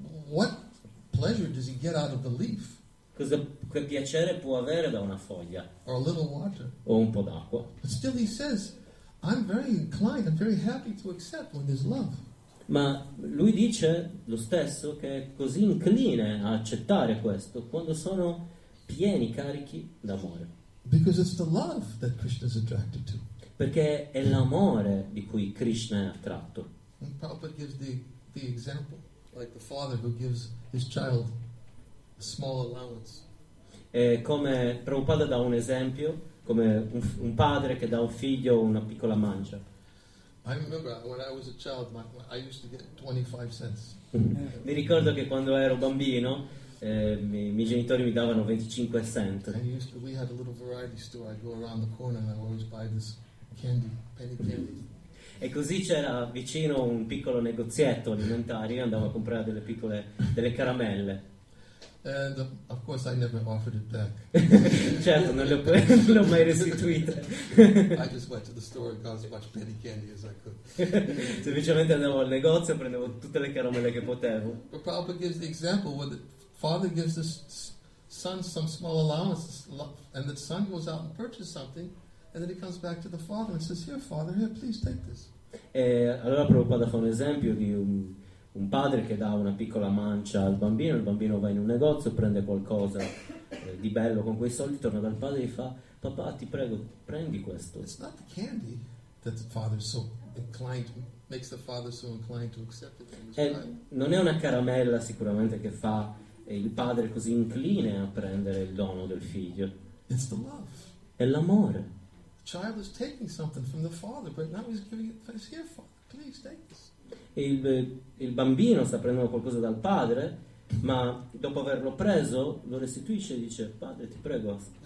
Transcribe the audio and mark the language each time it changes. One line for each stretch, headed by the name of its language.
English: What pleasure does he get out of the leaf?
Italian: Cosa, che piacere può avere da una foglia?
English: Or a little water.
Italian: O un po' d'acqua.
English: But still he says, I'm very inclined, I'm very happy to accept when there's love.
Italian: Ma lui dice lo stesso che è così incline a accettare questo quando sono pieni, carichi d'amore.
English: Because it's the love that Krishna is attracted to.
Italian: Perché è l'amore di cui Krishna è attratto.
English: And Prabhupada gives the example, like the father who gives his child a small allowance.
Italian: E come Prabhupada dà un esempio, come un padre che dà un figlio una piccola mancia.
English: I remember when I was a child, I used to get 25 cents.
Italian: Mi ricordo che quando ero bambino, i miei genitori mi davano 25 cent.
English: We had a little variety store. I'd go around the corner and I always buy this candy, penny candy.
Italian: E così c'era vicino un piccolo negozietto alimentare, io andavo a comprare delle piccole, delle caramelle.
English: And of course I never offered it back.
Italian: Certo, non l'ho mai restituito.
English: I just went to the store and got as much penny candy as I could.
Italian: Semplicemente andavo al negozio e prendevo tutte le caramelle che potevo.
English: But Prabhupada gives the example where the father gives the son some small allowance and the son goes out and purchases something and then he comes back to the father and says, here father, here, please take this.
Italian: E allora Prabhupada fa un esempio di un padre che dà una piccola mancia al bambino, il bambino va in un negozio, prende qualcosa di bello con quei soldi, torna dal padre e fa, papà ti prego, prendi questo.
English: It's not the candy that the father is so inclined to, makes the father so inclined to accept it.
Italian: Non è una caramella sicuramente che fa il padre così incline a prendere il dono del figlio.
English: It's the love.
Italian: È l'amore.
English: The child is taking something from the father, but now he's giving it for his here, father, please take this.
Italian: Il bambino sta prendendo qualcosa dal padre, ma dopo averlo preso lo restituisce e dice, padre ti prego,